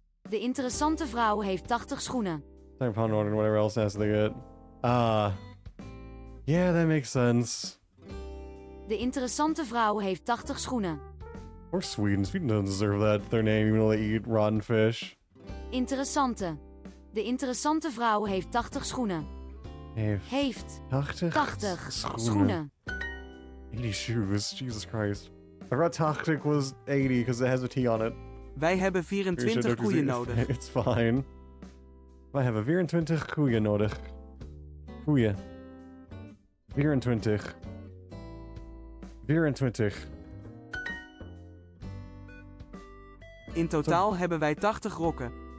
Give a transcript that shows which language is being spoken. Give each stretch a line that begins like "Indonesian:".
Dutch: De interessante vrouw heeft 80 schoenen.
English: Time upon order and whatever else has to get. Yeah, that makes sense.
Dutch: De interessante vrouw heeft 80 schoenen.
English: Poor Sweden. Sweden doesn't deserve that, their name, even though they eat rotten fish.
Dutch: Interessante. De interessante vrouw heeft 80 schoenen. Heeft 80 schoenen.
English: 80 shoes, Jesus Christ. I thought 80 was 80, because it has a T on it.
Dutch: Wij hebben 24 koeien nodig.
English: It's fine.
Dutch: Wij hebben 24 koeien nodig. Koeien. 24. 24. In totaal hebben wij 80 rokken.